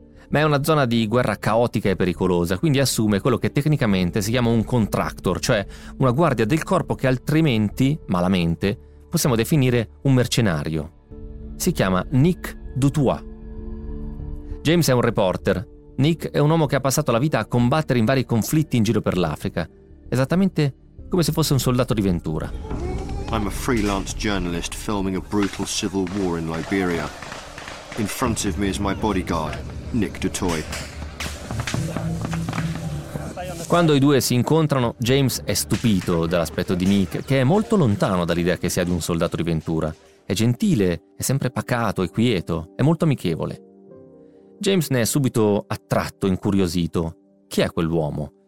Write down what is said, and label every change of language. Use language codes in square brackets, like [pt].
[it] Ma è una zona di guerra caotica e pericolosa, quindi assume quello che tecnicamente si chiama un contractor, cioè una guardia del corpo che altrimenti, malamente, possiamo definire un mercenario. Si chiama Nick Dutoit. James è un reporter. Nick è un uomo che ha passato la vita a combattere in vari conflitti in giro per l'Africa, esattamente come se fosse un soldato di ventura. [en] I'm a freelance journalist filming a brutal civil war in Liberia. In front of me is my bodyguard, Nick Dutoit. [it] Quando i due si incontrano, James è stupito dall'aspetto di Nick, che è molto lontano dall'idea che sia di un soldato di ventura. È gentile, è sempre pacato e quieto, è molto amichevole. James ne è subito attratto, incuriosito. Chi è quell'uomo?